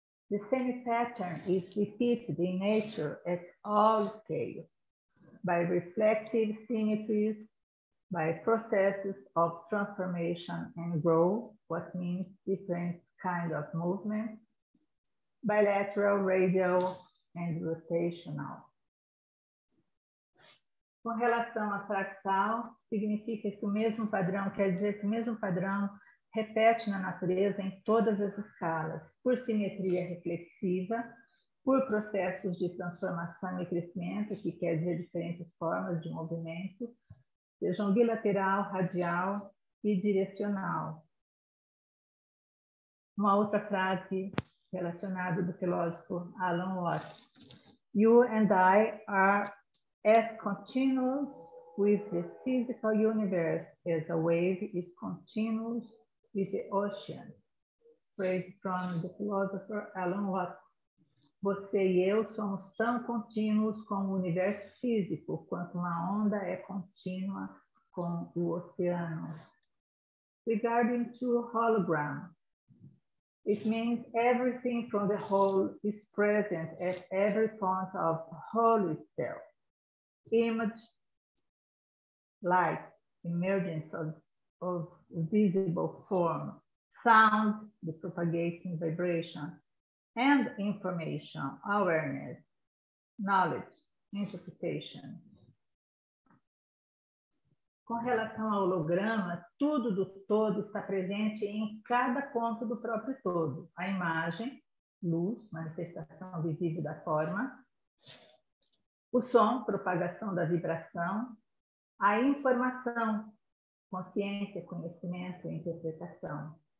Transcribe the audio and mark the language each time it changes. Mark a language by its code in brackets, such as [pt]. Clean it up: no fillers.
[en] The same pattern is repeated in nature at all scales by reflective symmetries, by processes of transformation and growth, what means different kinds of movement, bilateral, radial, and rotational. [pt] Com relação a fractal, significa que o mesmo padrão, quer dizer que o mesmo padrão repete na natureza em todas as escalas, por simetria reflexiva, por processos de transformação e crescimento, que quer dizer diferentes formas de movimento, sejam bilateral, radial e direcional. Uma outra frase relacionada do filósofo Alan Watts. [en] You and I are as continuous with the physical universe as a wave is continuous with the ocean. Phrase from the philosopher Alan Watts. [pt] Você e eu somos tão contínuos com o universo físico quanto uma onda é contínua com o oceano. [en] Regarding to hologram, it means everything from the whole is present at every point of the whole itself. Image, light, emergence of visible form, sound, the propagating vibration, and information, awareness, knowledge, interpretation. [pt] Com relação ao holograma, tudo do todo está presente em cada ponto do próprio todo. A imagem, luz, manifestação visível da forma, o som, propagação da vibração, a informação, consciência, conhecimento, interpretação.